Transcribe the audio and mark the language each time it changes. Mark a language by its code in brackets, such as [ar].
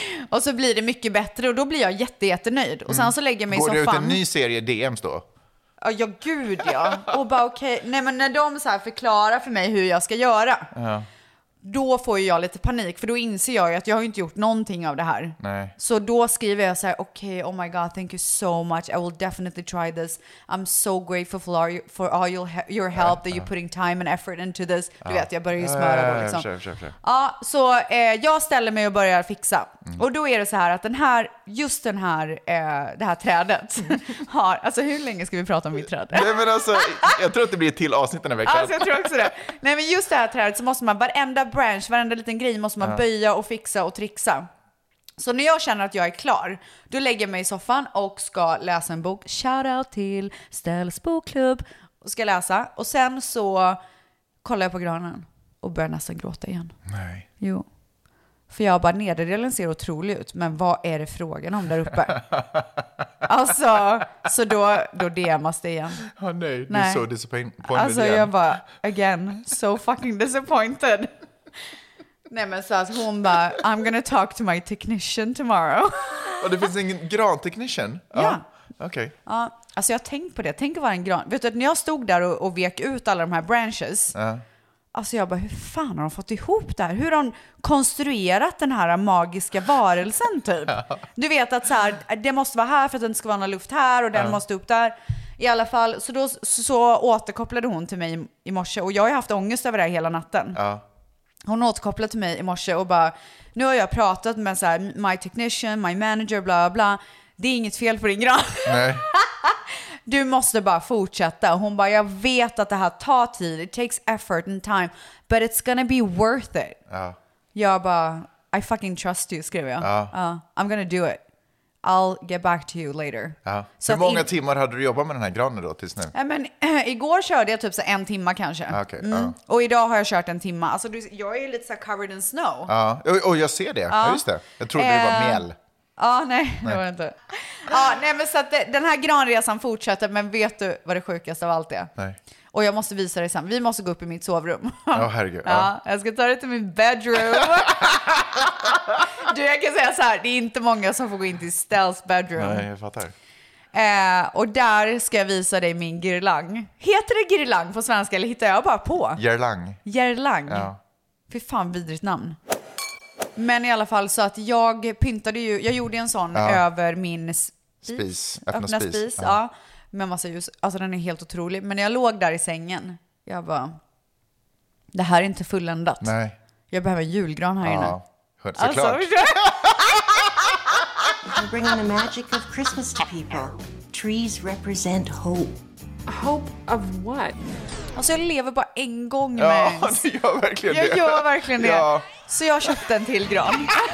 [sv] Och så blir det mycket bättre och då blir jag jättenöjd. Och sen så lägger jag mig går som fan. Går det ut en ny serie DMs då? Ja, gud ja. Och bara okej. Okay. Nej, men när de så här förklarar för mig hur jag ska göra. Ja. Då får ju jag lite panik. För då inser jag ju att jag har inte gjort någonting av det här. Nej. Så då skriver jag så här. Okej, [en] okay, oh my god, thank you so much. I will definitely try this. I'm so grateful for all your help that you're putting time and effort into this. [sv] Du vet, jag börjar ju smöra då liksom. Ja, så jag ställer mig och börjar fixa. Mm. Och då är det så här att den här... Just den här, det här trädet har... Alltså hur länge ska vi prata om mitt träd? Nej men alltså, jag tror att det blir ett till avsnitt den här veckan. Alltså jag tror också det. Nej men just det här trädet så måste man, varenda branch, varenda liten grej måste man böja och fixa och trixa. Så när jag känner att jag är klar, då lägger jag mig i soffan och ska läsa en bok. Shout out till Ställs bokklubb. Och ska läsa. Och sen så kollar jag på granen och börjar nästan gråta igen. Nej. Jo. För jag bara, nederdelen ser otrolig ut. Men vad är det frågan om där uppe? Alltså, så då DMas det igen. Ja, oh, nej, nej. Du är så disappointed. Alltså igen. Jag bara, [en] again, so fucking disappointed. [sv] Nej, men så alltså, hon bara, [en] I'm gonna talk to my technician tomorrow. [sv] Och det finns ingen gran-technician? Ja. Okej. [en] Okay. [sv] Ja, alltså jag har tänkt på det. Tänk att vara en gran. Vet du, när jag stod där och vek ut alla de här branches- Alltså jag bara, hur fan har de fått ihop det här? Hur har de konstruerat den här magiska varelsen typ? Du vet att så här, det måste vara här för att det inte ska vara någon luft här och den måste upp där. I alla fall, så då så återkopplade hon till mig i morse och jag har haft ångest över det här hela natten. Hon återkopplade till mig i morse och bara, nu har jag pratat med så här, [en] my technician, my manager, [sv] bla bla. Det är inget fel på din gran. Nej. Du måste bara fortsätta. Hon bara, jag vet att det här tar tid. [en] It takes effort and time. But it's gonna be worth it. [sv] Jag bara, [en] I fucking trust you, [sv] skriver jag. [en] I'm gonna do it. I'll get back to you later. [sv] Så hur många timmar hade du jobbat med den här granen då tills nu? Men, igår körde jag typ så en timma kanske. [en] Okay, [sv] Och idag har jag kört en timma. Alltså, jag är lite så [en] covered in snow. [sv] Och jag ser det. Just det. Jag trodde det var mjäll. Nej, det var det inte. Nej, men så att den här granresan fortsätter. Men vet du vad det sjukaste av allt är? Nej. Och jag måste visa dig sen. Vi måste gå upp i mitt sovrum. Herregud. Jag ska ta dig till min bedroom. Du, jag kan säga så här. Det är inte många som får gå in till Stells bedroom. Nej, jag fattar. Och där ska jag visa dig min girlang. Heter det girlang på svenska eller hittar jag bara på? Girlang. Ja. Fy fan, vidrigt namn. Men i alla fall så att jag pyntade ju, jag gjorde en sån över min öppna spis. Ja. Med massa ljus, alltså den är helt otrolig. Men när jag låg där i sängen, jag bara, det här är inte fulländat. Nej. Jag behöver en julgran här inne. Ja, såklart. [en] Alltså, we're bringing the magic of Christmas to people. Trees represent hope. Hope of what? [sv] Alltså jag lever bara en gång med. Jag gör verkligen det. Ja. Så jag köpte en till gran.